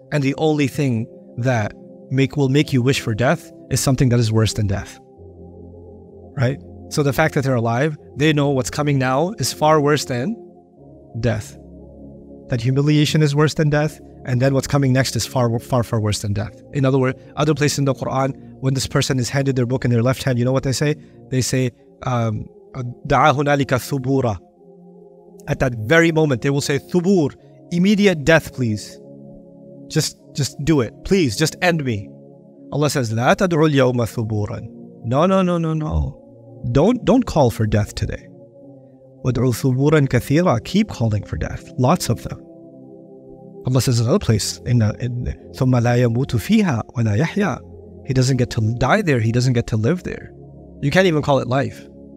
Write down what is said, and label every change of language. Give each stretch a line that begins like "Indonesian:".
English: And the only thing that will make you wish for death is something that is worse than death. Right? So the fact that they're alive, they know what's coming now is far worse than death. That humiliation is worse than death, and then what's coming next is far, far, far worse than death. In other words, other places in the Quran, when this person is handed their book in their left hand, you know what they say? They say,
Arabic: دَعَا هُنَالِكَ ثُبُورًا.
English: At that very moment, they will say, Thubur, immediate death, please. Just do it. Please, just end me. Allah says,
Arabic: لَا تَدْعُوا الْيَوْمَ ثُبُورًا.
English: No. Don't call for death today.
Arabic: وَدْعُوا ثُبُورًا كَثِيرًا.
English: Keep calling for death. Lots of them. Allah says, another place.
Arabic: ثُمَّ لَا يَمُوتُ فِيهَا وَلَا يَحْيَا.
English: He doesn't get to die there. He doesn't get to live there. You can't even call it life.